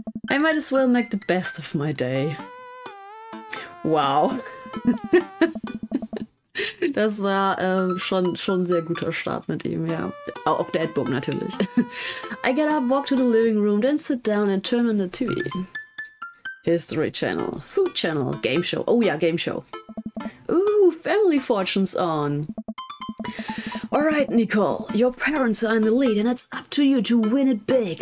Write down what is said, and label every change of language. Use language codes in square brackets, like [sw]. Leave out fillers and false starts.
[en] I might as well make the best of my day. Wow. [de] Das war schon ein sehr guter Start mit ihm, ja. Auch auf Dadbook natürlich. [en] I get up, walk to the living room, then sit down and turn on the TV. History Channel, Food Channel, Game Show. [de] Oh ja, [en] Game Show. Ooh, Family Fortunes on. Alright, Nicole, your parents are in the lead and it's up to you to win it big.